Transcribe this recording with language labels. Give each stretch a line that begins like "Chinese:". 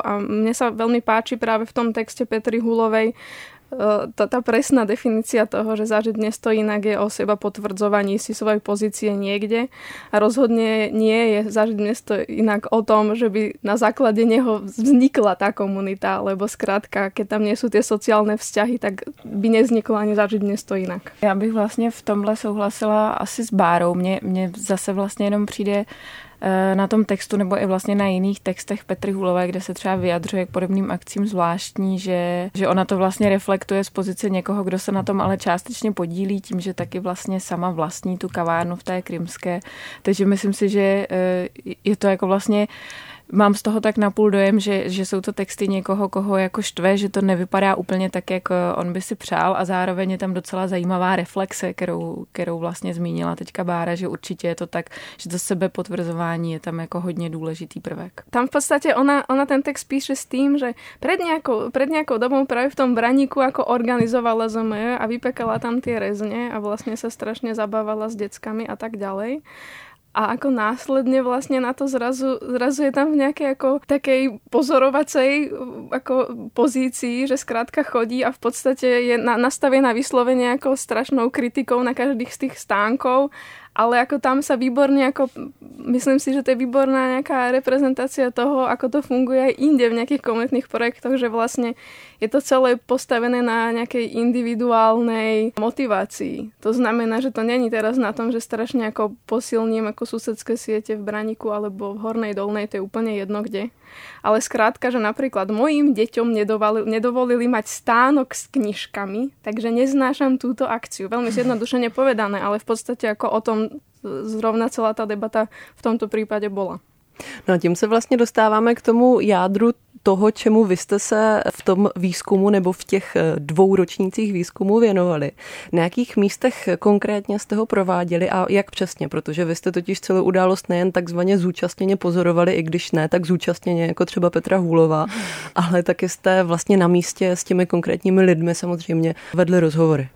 Slovak: A mne sa veľmi páči práve v tom texte Petry Hulovej tá presná definícia toho, že Zažiť město jinak je o seba potvrdzovaní si svojej pozície niekde a rozhodne nie je Zažiť město jinak o tom, že by na základe neho vznikla tá komunita, lebo skrátka, keď tam nie sú tie sociálne vzťahy, tak by nevzniklo ani Zažiť město jinak.
Czech: Ja bych vlastne v tomhle souhlasila asi s Bárou. Mne zase vlastne jenom přijde na tom textu nebo i vlastně na jiných textech Petry Hůlové, kde se třeba vyjadřuje k podobným akcím zvláštní, že ona to vlastně reflektuje z pozice někoho, kdo se na tom ale částečně podílí tím, že taky vlastně sama vlastní tu kavárnu v té Krymské. Takže myslím si, že je to jako vlastně, mám z toho tak napůl dojem, že jsou to texty někoho, koho jako štve, že to nevypadá úplně tak, jak on by si přál a zároveň je tam docela zajímavá reflexe, kterou vlastně zmínila teďka Bára, že určitě je to tak, že to sebepotvrzování je tam jako hodně důležitý prvek. Tam v podstatě ona ten text píše s tím, že před nějakou dobou právě v tom Braníku jako organizovala zemi a vypekala tam ty rezně a vlastně se strašně zabávala s dětskami
Slovak: a tak ďalej. A ako následne vlastne na to zrazu je tam v nejakej ako takej pozorovacej ako pozícii, že skrátka chodí a v podstate je nastavená vyslovene ako strašnou kritikou na každých z tých stánkov ale ako tam sa výborne, ako, myslím si, že to je výborná nejaká reprezentácia toho, ako to funguje aj inde v nejakých komunitných projektoch, že vlastne je to celé postavené na nejakej individuálnej motivácii. To znamená, že to není teraz na tom, že strašne ako posilním ako susedské siete v Braniku alebo v Hornej Dolnej, to je úplne jedno kde. Ale skrátka, že napríklad mojim deťom nedovolili mať stánok s knižkami, takže neznášam túto akciu. Veľmi zjednodušene povedané, ale v podstate ako o tom zrovna celá tá debata v tomto prípade bola.
Czech: No a tím se vlastně dostáváme k tomu jádru toho, čemu vy jste se v tom výzkumu nebo v těch dvou ročnících výzkumu věnovali. Na jakých místech konkrétně jste ho prováděli a jak přesně? Protože vy jste totiž celou událost nejen takzvaně zúčastněně pozorovali, i když ne tak zúčastněně jako třeba Petra Hůlová, ale taky jste vlastně na místě s těmi konkrétními lidmi samozřejmě vedli rozhovory.